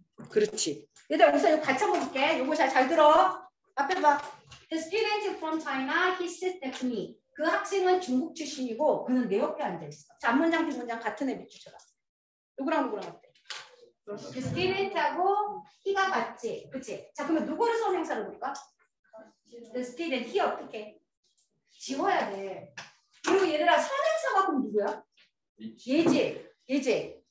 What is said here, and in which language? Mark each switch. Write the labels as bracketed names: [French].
[Korean] 그렇지. 얘들 여기서 이거 같이 한번 볼게. 이거 잘 들어. 앞에 봐. [English] The student from China, he sits next to me. [Korean] 그 학생은 중국 출신이고 그는 내 옆에 앉아있어. 자 앞문장 뒷문장 같은 애 비추쳐라. 누구랑 누구랑 어때? 그 스티렌트하고 히가 맞지? 그치? 자 그러면 누구를 선행사로 볼까? 그 스티렌트 히 어떻게? 지워야 돼. 그리고 얘들아 선행사가 그럼 누구야? 얘지? 얘지?